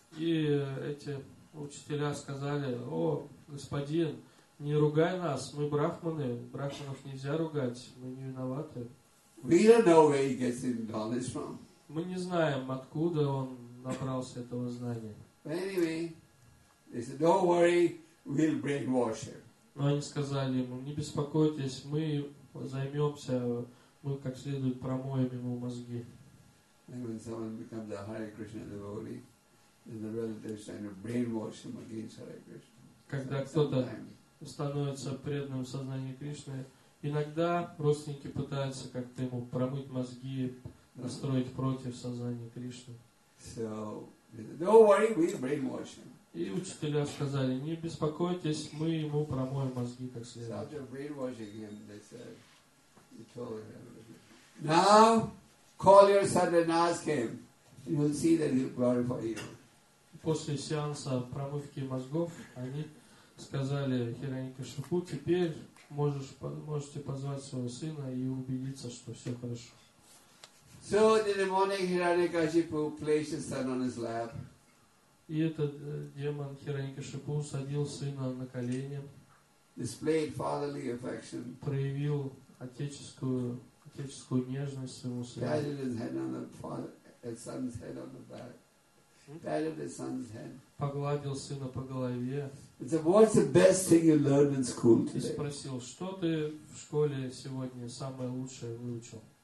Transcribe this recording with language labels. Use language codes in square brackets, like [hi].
[ru] И эти учителя сказали: о, господин, не ругай нас, мы брахманы, брахманов нельзя ругать, мы не виноваты. [en] We don't know where he gets his knowledge from. [ru] Мы не знаем, откуда он набрался этого знания. [en] But anyway, they said, don't worry, we'll brainwash him. [ru] Но они сказали ему, не беспокойтесь, мы займемся, мы как следует промоем ему мозги. [en] And when someone becomes a Hare Krishna devotee, then the relatives try to brainwash him against Hare Krishna. [ru] Когда кто-то становится преданным в сознании Кришны, иногда родственники пытаются как-то ему промыть мозги, настроить против сознания Кришны. [en] So, don't worry, we'll brainwash him. [ru] И учителя сказали, не беспокойтесь, мы ему промоем мозги как следует. [en] So after brainwashing him, they said, you told him, now call your son and ask him, and you'll see that he'll glorify you. [ru] После сеанса промывки мозгов они сказали Хираньякашипу, теперь можете позвать своего сына и убедиться, что все хорошо. [en] So the demonic Hiranyakashipu placed his son on his lap. [ru] И этот демон Хираньякашипу садил сына на колени. [en] Displayed fatherly affection. [ru] Проявил отеческую нежность своему сыну. [en] Patted his head on the father, his son's head on the back. Patted his son's head. [ru] Погладил сына по голове. [en] What's the best thing you learned in school today? [ru] И спросил, что ты в школе сегодня самое лучшее выучил?